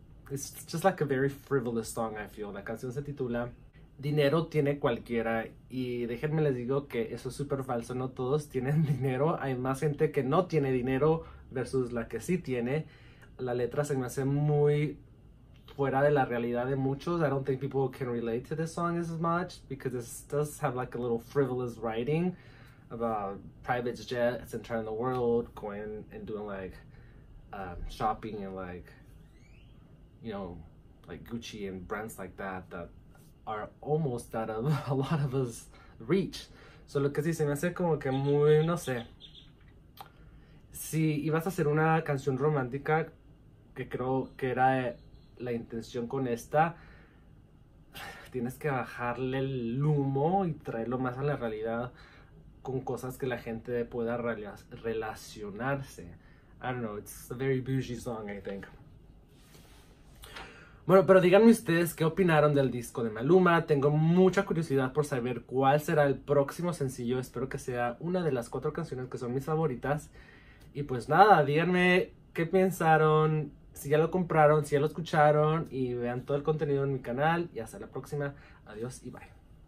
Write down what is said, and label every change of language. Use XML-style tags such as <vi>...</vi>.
<en>It's just like a very frivolous song, I feel.</en> <es>La canción se titula Dinero Tiene Cualquiera, y déjenme les digo que eso es súper falso. No todos tienen dinero, hay más gente que no tiene dinero versus la que sí tiene. La letra se me hace muy fuera de la realidad de muchos.</es> <en>I don't think people can relate to this song as much because this does have like a little frivolous writing about private jets and traveling the world, going and doing like shopping and like, you know, like Gucci and brands like that are almost out of a lot of us reach.</en> <es>Solo que sí, se me hace como que muy, no sé. Si ibas a hacer una canción romántica, que creo que era la intención con esta, tienes que bajarle el humo y traerlo más a la realidad con cosas que la gente pueda relacionarse.</es> <en>I don't know, it's a very bougie song, I think.</en> <es>Bueno, pero díganme ustedes qué opinaron del disco de Maluma. Tengo mucha curiosidad por saber cuál será el próximo sencillo. Espero que sea una de las cuatro canciones que son mis favoritas. Y pues nada, díganme qué pensaron, si ya lo compraron, si ya lo escucharon. Y vean todo el contenido en mi canal. Y hasta la próxima. Adiós y bye.</es>